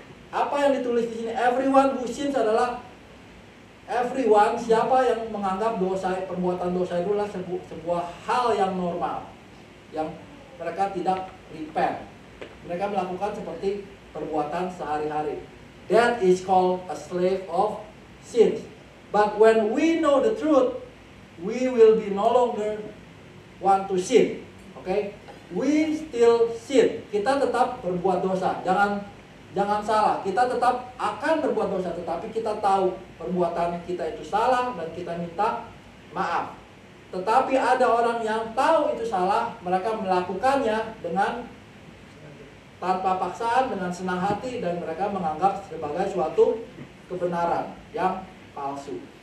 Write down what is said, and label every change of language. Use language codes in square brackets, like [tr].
[id] Apa yang ditulis di sini, [en] everyone who sins [id] adalah everyone, siapa yang menganggap dosa, perbuatan dosa itu adalah sebuah hal yang normal, yang mereka tidak repent. Mereka melakukan seperti perbuatan sehari-hari. [en] That is called a slave of sins. But when we know the truth, we will be no longer want to sin. Okay? We still sin. [id] Kita tetap berbuat dosa. Jangan salah, kita tetap akan berbuat dosa, tetapi kita tahu perbuatan kita itu salah dan kita minta maaf. Tetapi ada orang yang tahu itu salah, mereka melakukannya dengan tanpa paksaan, dengan senang hati, dan mereka menganggap sebagai suatu kebenaran yang palsu.